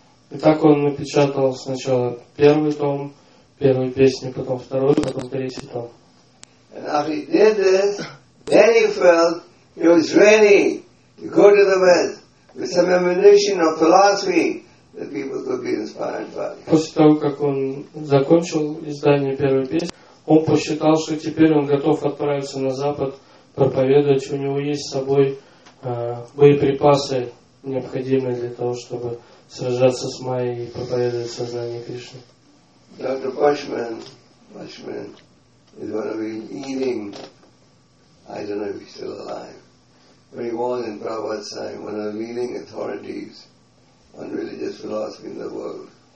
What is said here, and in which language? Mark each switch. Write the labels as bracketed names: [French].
[Russian] И так он напечатал сначала первый том первой песни, потом второй, потом третий том. [English] And after he did this, then he felt he was ready to go to the West with some ammunition of philosophy that people could be inspired by. [Russian] После того, как он закончил издание первой песни, он посчитал, что теперь он готов отправиться на Запад проповедовать. У него есть с собой боеприпасы, необходимые для того, чтобы сражаться с Майей и проповедовать сознание Кришны. [English] Dr. Bushman is one of the leading, I don't know if he's still alive, but he was in Prabhupada's time, one of the leading authorities on religious philosophy in the world.